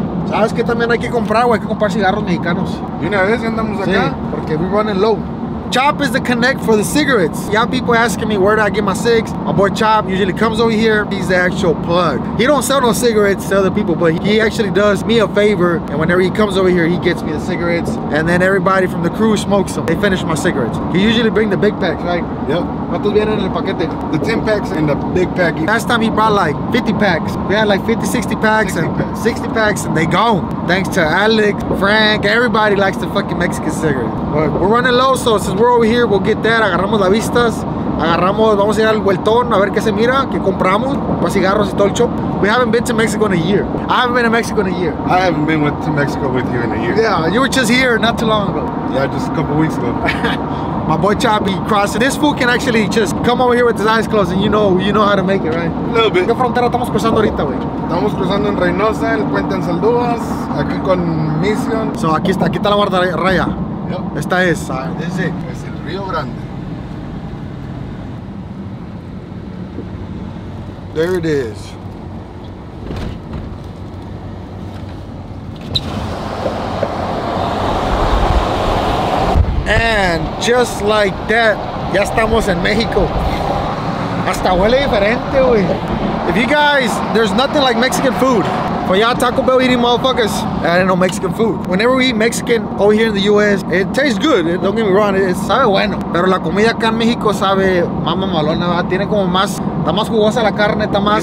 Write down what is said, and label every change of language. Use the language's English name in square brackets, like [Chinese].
[Spanish] ¿Sabes que también hay que comprar, güey? Hay que comprar cigarros mexicanos. ¿Y una vez andamos acá? Sí, porque [English] we're running low. Chop is the connect for the cigarettes. Y'all people asking me, where do I get my cigs? My boy Chop usually comes over here. He's the actual plug. He don't sell no cigarettes to other people, but he actually does me a favor. And whenever he comes over here, he gets me the cigarettes. And then everybody from the crew smokes them. They finish my cigarettes. He usually bring the big packs, right? Yep. [Spanish] ¿Cuántos vienen en el paquete? [English] The 10 packs and the big pack. Last time he brought like 50 packs. We had like 50, 60 packs. 60 and packs. 60 packs and they gone. Thanks to Alex, Frank, everybody likes the fucking Mexican cigarette. But we're running low, so since we're over here, we'll get that. [Spanish] Agarramos las vistas. Agarramos, vamos a ir al vueltón a ver qué se mira, qué compramos, para cigarros y todo el show. [English] We haven't been to Mexico in a year. I haven't been to Mexico in a year. I haven't been to Mexico with you in a year. Yeah, you were just here not too long ago. Yeah, just a couple weeks ago. My boy Chopi crossed. This fool can actually just come over here with his eyes closed and you know how to make it, right? A little bit. [Spanish] ¿Qué frontera estamos cruzando ahorita, güey? Estamos cruzando en Reynosa, el puente en Saldúas, aquí con Mission. So, aquí está la guarda raya. [English] Yep. [Spanish] Esta es, [English] this is it. [Spanish] Es el Río Grande. [English] There it is. And just like that, [Spanish] ya estamos en México. Hasta huele diferente, güey. [English] If you guys, there's nothing like Mexican food. For y'all Taco Bell eating motherfuckers, I don't know Mexican food. Whenever we eat Mexican over here in the US, it tastes good. Don't get me wrong, it [Spanish] sabe bueno. Pero la comida acá en México sabe más mamalona, ¿verdad? Tiene como más, está más jugosa la carne, está más.